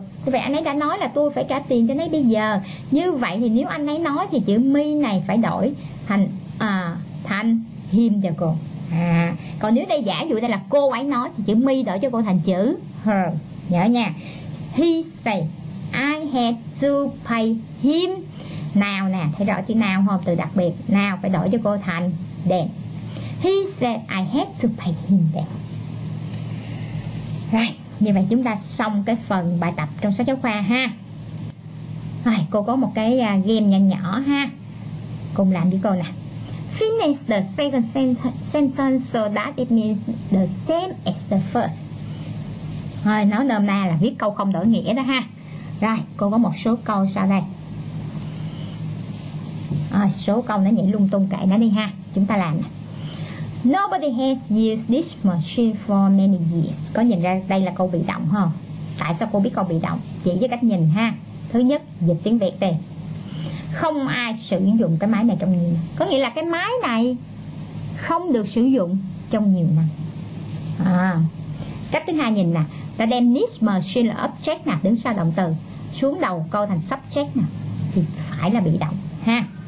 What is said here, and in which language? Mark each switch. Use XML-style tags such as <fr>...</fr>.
<vi>Như vậy anh ấy đã nói là tôi phải trả tiền cho anh ấy bây giờ. Như vậy thì nếu anh ấy nói thì chữ me này phải đổi thành thành him cho cô. À, còn nếu đây giả dụ đây là cô ấy nói thì chữ me đổi cho cô thành chữ her. Nhớ nha.</vi> <en>He said I had to pay him.</en> <vi>Now nè, thấy rõ chữ now không? Từ đặc biệt. Now phải đổi cho cô thành then.</vi> <en>He said I had to pay him then.</en> <vi>Rồi, như vậy chúng ta xong cái phần bài tập trong sách giáo khoa ha. Rồi, cô có một cái game nhỏ ha. Cùng làm với cô nè.</vi> <en>Finish the second sentence so that it means the same as the first.</en> <vi>Rồi, nói nôm na là viết câu không đổi nghĩa đó ha. Rồi, cô có một số câu sau đây. Rồi, số câu nó nhảy lung tung kệ nó đi ha. Chúng ta làm nè.</vi> <en>Nobody has used this machine for many years.</en> <vi>Có nhìn ra đây là câu bị động không? Tại sao cô biết câu bị động? Chỉ với cách nhìn ha. Thứ nhất, dịch tiếng Việt đi. Không ai sử dụng cái máy này trong nhiều năm. Có nghĩa là cái máy này không được sử dụng trong nhiều năm. À, cách thứ hai nhìn nè. Ta đem this machine là object nè, đứng sau động từ, xuống đầu câu thành subject nè, thì phải là bị động ha.</vi>